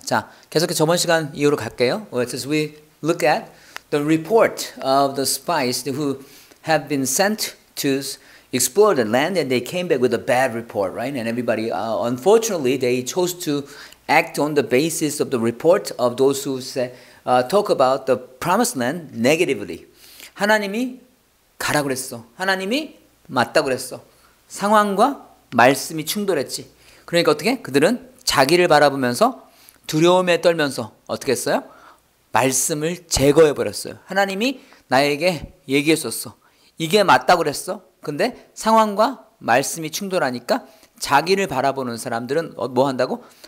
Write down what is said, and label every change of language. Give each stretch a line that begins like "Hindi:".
Korean: 자, 계속해서 저번 시간 이후로 갈게요.
English: Let's we look at the report of the spies who have been sent to explore the land and they came back with a bad report, right? And everybody, unfortunately, they chose to act on the basis of the report of those who say, talk about the promised land negatively.
Korean: 하나님이 가라 그랬어. 하나님이 맞다 그랬어. 상황과 말씀이 충돌했지. 그러니까 어떻게? 그들은 자기를 바라보면서 두려움에 떨면서 어떻게 했어요? 말씀을 제거해버렸어요. 하나님이 나에게 얘기했었어. 이게 맞다고 그랬어. 근데 상황과 말씀이 충돌하니까 자기를 바라보는 사람들은 뭐 한다고?